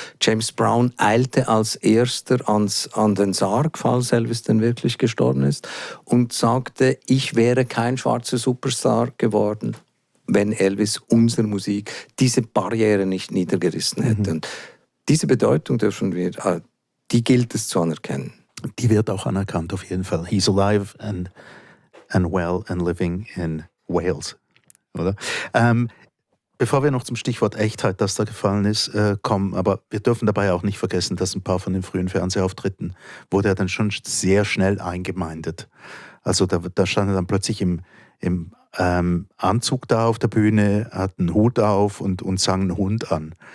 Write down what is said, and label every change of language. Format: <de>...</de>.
<de>James Brown eilte als erster an den Sarg, falls Elvis denn wirklich gestorben ist, und sagte, ich wäre kein schwarzer Superstar geworden, wenn Elvis unsere Musik, diese Barriere nicht niedergerissen hätte. Mhm. Und diese Bedeutung dürfen wir, die gilt es zu anerkennen. Die wird auch anerkannt, auf jeden Fall.</de> <en>He's alive and well and living in Wales.</en> <de>Oder? Bevor wir noch zum Stichwort Echtheit, das da gefallen ist, kommen, aber wir dürfen dabei auch nicht vergessen, dass ein paar von den frühen Fernsehauftritten wurde er dann schon sehr schnell eingemeindet. Also da stand er dann plötzlich im Anzug da auf der Bühne, hat einen Hut auf und sang einen Hund an.</de>